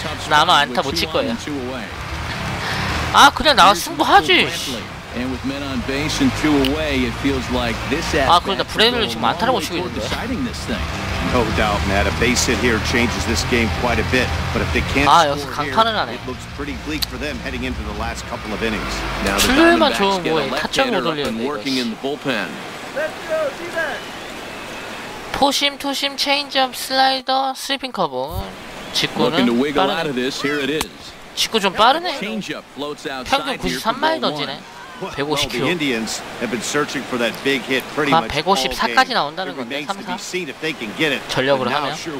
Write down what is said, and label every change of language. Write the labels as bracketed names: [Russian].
[Korean] 나 아마 안타 못 칠 거예요. 아, 그냥 나와 승부하지. 아, 그러니까 브래들리 지금 안타를 못 치고 있는데. [English] No doubt, Matt. A base hit here changes this game quite a bit. But if they can't score here, it looks pretty bleak for them heading into the last couple of innings. Now the Diamondbacks get a left hander and working in the bullpen. Let's go, see that. [Korean] 포심, 투심, 체인지업, 슬라이더, 스위핑 커브. 직구는 빠르게. 직구 좀 빠르네. 평균 93마일 던지네. 150km. 154까지 나온다는 건데 3사 전력으로 하면.